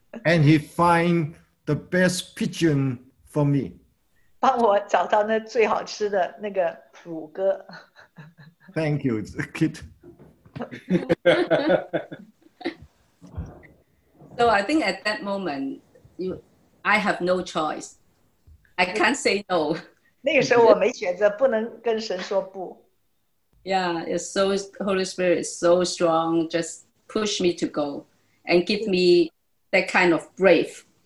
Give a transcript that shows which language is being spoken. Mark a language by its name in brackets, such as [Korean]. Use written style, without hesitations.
[English] And he find the best pigeon for me. [Chinese] 帮我找到那最好吃的那个乳鸽。 [English] Thank you, Kit. So I think at that moment, I have no choice. I can't say no. [Chinese] 那个时候我没选择，不能跟神说不。 [English] Yeah, it's so Holy Spirit is so strong. Just push me to go and give me that kind of brave.